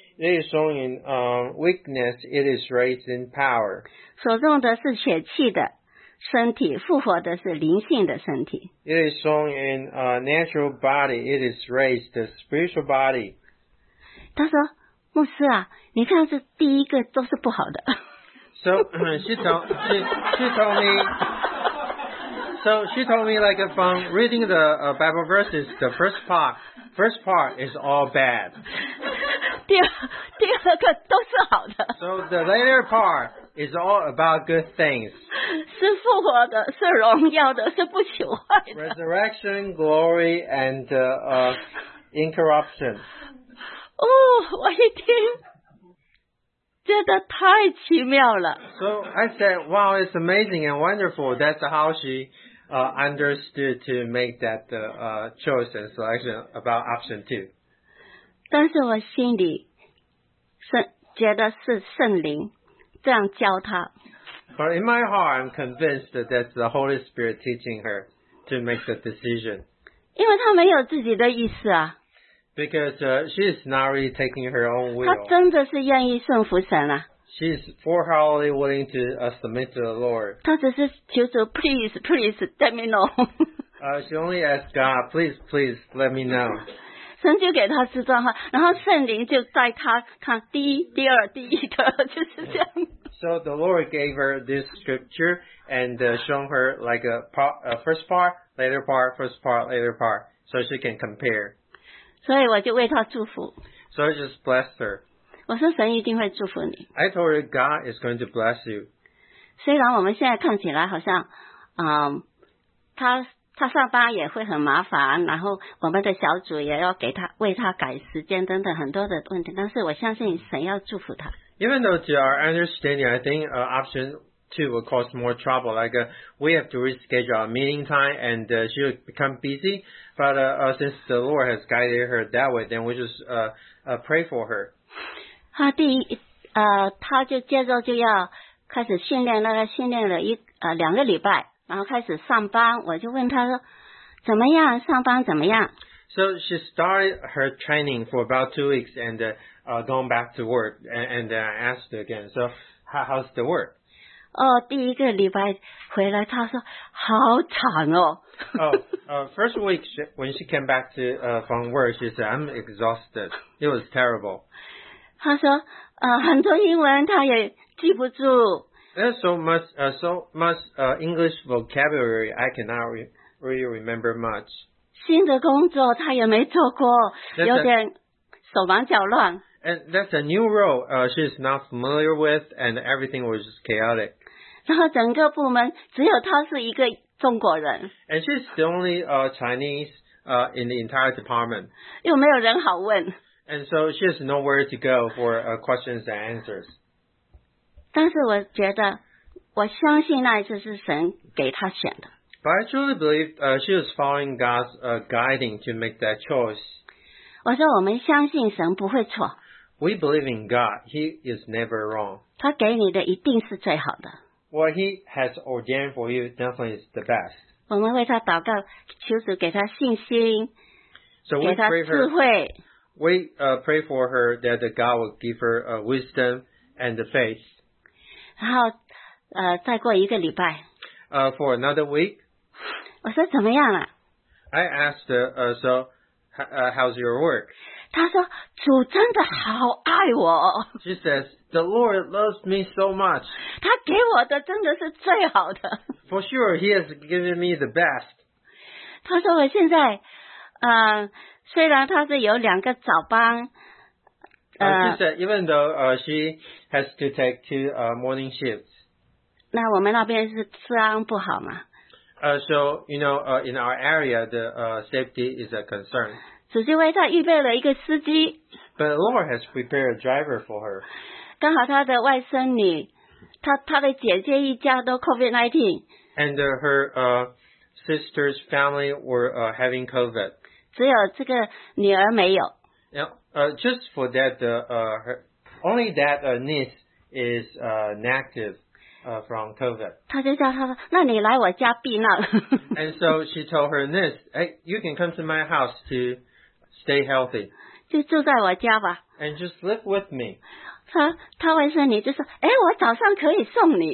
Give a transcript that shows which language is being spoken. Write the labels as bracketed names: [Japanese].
[English] It is sown in weakness, it is raised in power. [Chinese] 所种的是血气的身体，复活的是灵性的身体。 [English] It is sown in a natural body, it is raised the spiritual body. [Chinese] 他说，牧师啊，你看这第一个都是不好的。 [English] So she told me like from reading the Bible verses, the first part is all bad. [Chinese] 第二个都是好的。 [English] So the later part, is all about good things. [Chinese] 是复活的，是荣耀的，是不朽坏的。 [English] Resurrection, glory, and incorruption. [Chinese] 哦，我一听，真的太奇妙了。 [English] So I said, wow, it's amazing and wonderful. That's how she understood to make that choice and selection about option two. [Chinese] 但是我心里觉得是圣灵这样教他。 [English] But in my heart, I'm convinced that the Holy Spirit teaching her to make the decision. [Chinese] 因为她没有自己的意思啊。 [English] Because she's not really taking her own will. [Chinese] 她真的是愿意顺服神啊。 [English] She's wholeheartedly willing to submit to the Lord. [Chinese] 她只是求主 [English] please, please, let me know. she only asked God, please, please, let me know. [Chinese] 神就给他知道哈，然后圣灵就带他看第一、第二、第一的，就是这样。 [English] So the Lord gave her this scripture and shown her like a first part, later part, first part, later part, so she can compare. [Chinese] 所以我就为他祝福。 [English] So I just blessed her. [Chinese] 我说神一定会祝福你。 [English] I told her God is going to bless you. [Chinese] 虽然我们现在看起来好像，他。他上班也会很麻烦，然后我们的小组也要给他为他改时间等等很多的问题，但是我相信神要祝福他。 [English] Even though to our understanding, I think option two will cause more trouble. Like we have to reschedule our meeting time and she will become busy. But since the Lord has guided her that way, then we just pray for her. [Chinese] 他第一他就接着就要开始训练，那个训练了两个礼拜。然后开始上班，我就问他说：“怎么样？上班怎么样？” [English] So she started her training for about 2 weeks and going back to work. And then I asked her again, so how's the work? [Chinese] 哦，第一个礼拜回来，他说好惨哦。 [English] first week when she came back to from work, she said I'm exhausted. It was terrible. [Chinese] 他说很多英文他也记不住。 [English] There's so much English vocabulary I cannot really remember much. [Chinese] 新的工作他也没做过，有点手忙脚乱。 [English] And that's a new role she's not familiar with, and everything was just chaotic. [Chinese] 然后整个部门只有他是一个中国人。 [English] And she's the only Chinese in the entire department. [Chinese] 又没有人好问。 [English] And so she has nowhere to go for questions and answers. [Chinese] 但是我觉得我相信那一次是神给他选的。 [English] But I truly believe she was following God's guiding to make that choice. [Chinese] 我说我们相信神不会错。 [English] We believe in God. He is never wrong. [Chinese] 他给你的一定是最好的。 [English] What he has ordained for you definitely is the best. [Chinese] 我们为他祷告，求主给他信心，给他智慧。 [English] We pray for her that God will give her wisdom and the faith. [Chinese] 然后再过一个礼拜。 [English] For another week. [Chinese] 我说怎么样了？ [English] I asked her, how's your work? [Chinese] 她说主真的好爱我。 [English] She says, the Lord loves me so much. [Chinese] 他给我的真的是最好的。 [English] For sure, he has given me the best. [Chinese] 她说我现在虽然他是有两个早班， [English] she said, even though she has to take two morning shifts. [Chinese] 那我们那边是治安不好吗？ [English] So, you know, in our area, the safety is a concern. [Chinese] 只是为她预备了一个司机。 [English] But the Lord has prepared a driver for her. [Chinese] 刚好她的外甥女，她的姐姐一家都 COVID-19. [English] And her sister's family were having COVID. [Chinese] 只有这个女儿没有。 [English] Just for that, only that niece is negative from COVID. [Chinese] 他就叫他说，那你来我家避难。 [English] And so she told her niece, hey, you can come to my house to stay healthy. [Chinese] 就住在我家吧。 [English] And just live with me. [Chinese] 他外甥女就说，哎，我早上可以送你。